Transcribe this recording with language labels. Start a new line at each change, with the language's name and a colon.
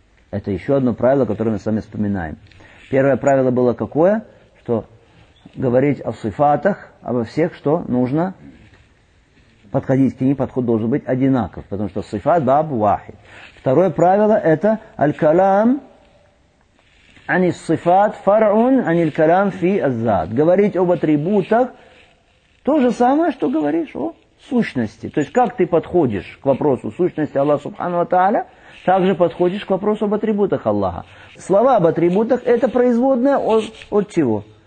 Russian: Это еще одно правило, которое мы с вами вспоминаем. Первое правило было какое? Что говорить о сифатах, обо всех, что нужно подходить к ним, подход должен быть одинаков, потому что сифат баб вахид. Второе правило это «Аль-калам
Arabic: عن الصفات فرع عن الكلام في الذات.
Russian: Говорить об атрибутах то же самое, что говоришь о сущности. То есть как ты подходишь к вопросу сущности Аллаха Субхану ва Тааля, так же подходишь к вопросу об атрибутах Аллаха. Слова об атрибутах это производное от чего?